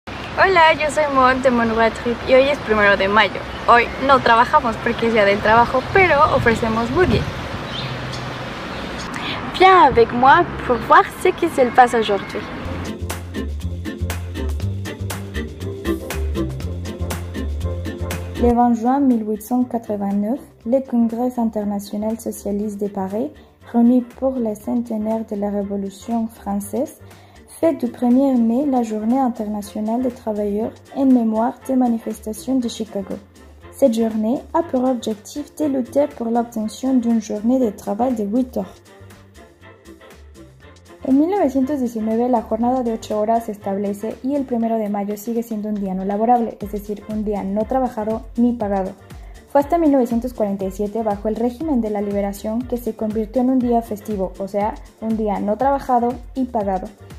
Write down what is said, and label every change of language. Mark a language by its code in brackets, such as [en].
[es] Hola, yo soy Mon de Mon Road Trip y hoy es primero de mayo. Hoy no trabajamos porque es día del trabajo, pero ofrecemos buggy. [fr] Viens avec moi pour voir ce qui se passe aujourd'hui. Le 20 juin 1889, le Congrès international socialiste de Paris, réuni pour le centenaire de la Révolution française, fait du 1er mai la Journée internationale des travailleurs en mémoire des manifestations de Chicago. Cette journée a pour objectif de lutter pour l'obtention d'une journée de travail de 8 heures. [es] En 1919 la jornada de 8 horas se establece y el 1 de mayo sigue siendo un día no laborable, es decir, un día no trabajado ni pagado. Fue hasta 1947 bajo el régimen de la liberación que se convirtió en un día festivo, o sea, un día no trabajado y pagado.